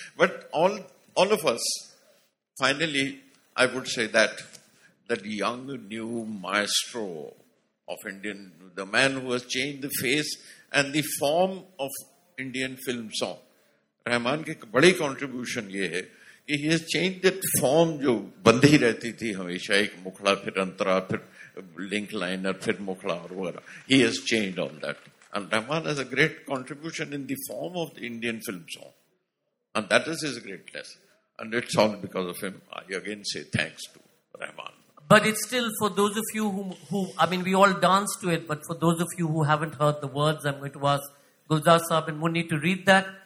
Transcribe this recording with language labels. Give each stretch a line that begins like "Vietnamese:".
English: But all of us, finally, I would say that young new maestro of Indian, the man who has changed the face and the form of Indian film song,
Hindi: Rahman ke badi contribution ye hai.
English: He has changed that form,
Hindi: जो बंधी रहती थी हमेशा, एक मुखड़ा फिर अंतरा फिर
English: link liner, thermocla or whatever. He has changed all that. And Rahman has a great contribution in the form of the Indian film song. And that is his greatness. And it's all because of him. I again say thanks to Rahman. But it's still, for those of you who I mean, we all dance to it, but for those of you who haven't heard the words, I'm going to ask Gulzar Saheb and Munni to read that.